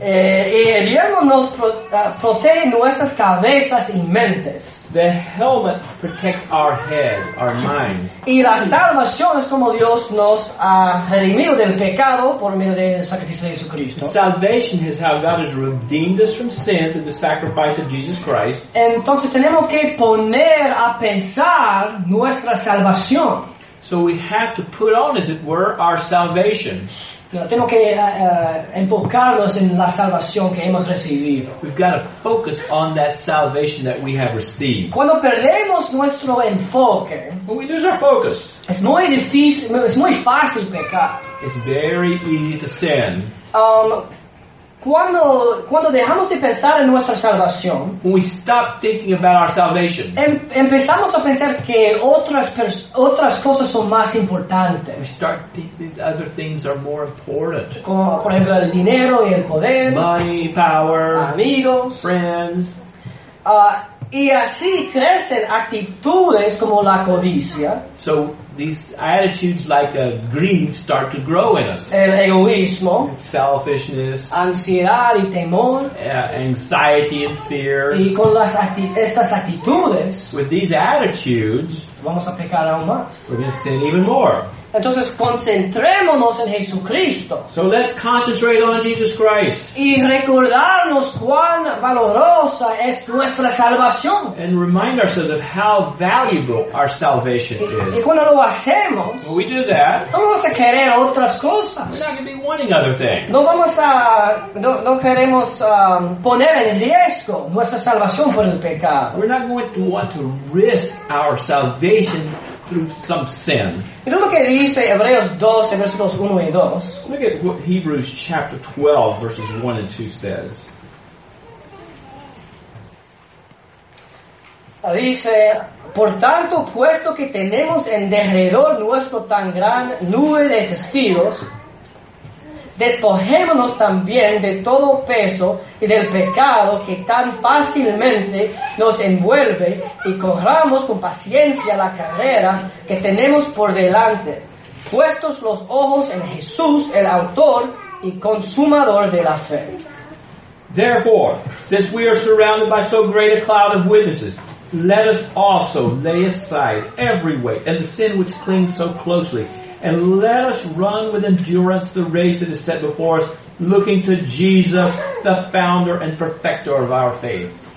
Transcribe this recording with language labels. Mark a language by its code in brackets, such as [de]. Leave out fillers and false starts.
[es] El yelmo nos protege nuestras cabezas y mentes. [en] The helmet protects our head, our mind. [es] Y la salvación es como Dios nos ha redimido del pecado por medio del sacrificio de Jesucristo. [en] Salvation is how God has redeemed us from sin through the sacrifice of Jesus Christ. [es] Entonces tenemos que poner a pensar nuestra salvación. [en] So we have to put on, as it were, our salvation. [es] Tenemos que enfocarnos en la salvación que hemos recibido. [en] We've got to focus on that salvation that we have received. [es] Cuando perdemos nuestro enfoque, [en] when we lose our focus, [es] es muy fácil pecar. [en] It's very easy to sin. [es] Cuando dejamos de pensar en nuestra salvación, [en] when we stop thinking about our salvation, [es] empezamos a pensar que otras cosas son más importantes. [en] We start thinking other things are more important. [es] Como, por ejemplo, el dinero y el poder, [en] money, power, [es] amigos, [en] friends. [es] Y así crecen actitudes como la codicia. [en] So these attitudes like greed start to grow in us. [es] El egoísmo, [en] selfishness, [es] ansiedad y temor, [en] anxiety and fear. [es] Y con estas actitudes, [en] with these attitudes, [es] vamos a pecar aún más. [en] We're going to sin even more. [es] Entonces concentrémonos en Jesucristo. [en] So let's concentrate on Jesus Christ. [es] Y recordarnos cuán valorosa es nuestra salvación. [en] And remind ourselves of how valuable our salvation is. [es] Y cuando lo hacemos, [en] when we do that, [es] no vamos a querer otras cosas. [en] We're not going to be wanting other things. [es] No vamos a, no, no queremos poner en riesgo nuestra salvación por el pecado. [en] We're not going to want to risk our salvation through some sin. [es] Mira lo que dice Hebreos 12, versículos 1 y 2. [en] Look at what Hebrews chapter 12, verses 1 and 2 says. [es] Dice, por tanto, puesto que tenemos en derredor nuestro tan gran nube de testigos, despojémonos también de todo peso y del pecado que tan fácilmente nos envuelve y corramos con paciencia la carrera que tenemos por delante, puestos los ojos en Jesús, el autor y consumador de la fe. [en] Therefore, since we are surrounded by so great a cloud of witnesses, let us also lay aside every weight and the sin which clings so closely, and let us run with endurance the race that is set before us, looking to Jesus, the founder and perfecter of our faith.